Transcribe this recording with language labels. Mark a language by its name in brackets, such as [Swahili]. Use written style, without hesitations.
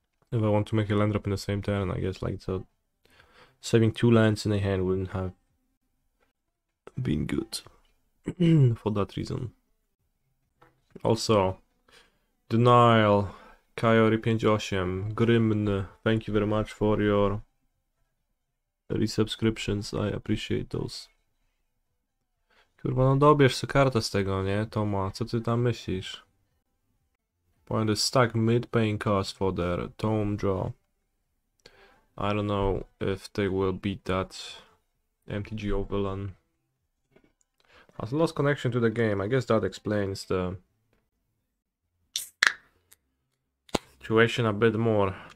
[English] If I want to make a land drop in the same turn, I guess like so saving 2 lands in a hand wouldn't have been good for that reason. Also, Denial, Kaiori Pinjoshim, Grimn, thank you very much for your resubscriptions, I appreciate those. [Polish] Kurwa, no dobierz sobie kartę z tego, nie? Toma, co ty tam myślisz? [English] Point a stack mid paying cost for their tome draw. I don't know if they will beat that MTGO villain. Has lost connection to the game. I guess that explains the situation a bit more.